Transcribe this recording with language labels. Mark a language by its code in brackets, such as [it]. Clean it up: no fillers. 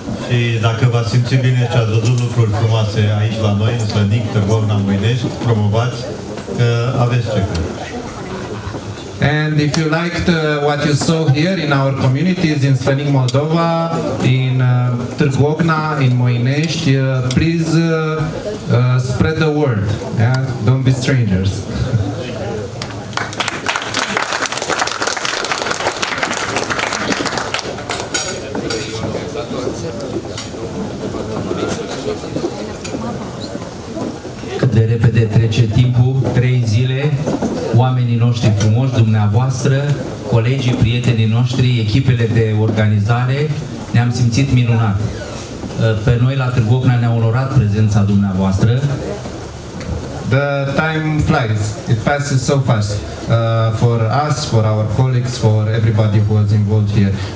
[ro] Și dacă v-ați simțit bine și ați văzut lucruri frumoase aici la noi, în SLANIC, Târgovna, Moinești, promovați că aveți ce cred. [en] And if you liked what you saw here in our communities, in SLANIC Moldova, in Târgovna, in Moinești, please spread the word. Yeah? Don't be strangers. [ro] Trece timpul, 3 zile, oamenii noștri frumoși, dumneavoastră, colegii, prietenii noștri, echipele de organizare, ne-am simțit minunat. Pe noi la Târgu Ocna ne-a onorat prezența dumneavoastră. [en] The time flies, it passes so fast for us, for our colleagues, for everybody who was involved here.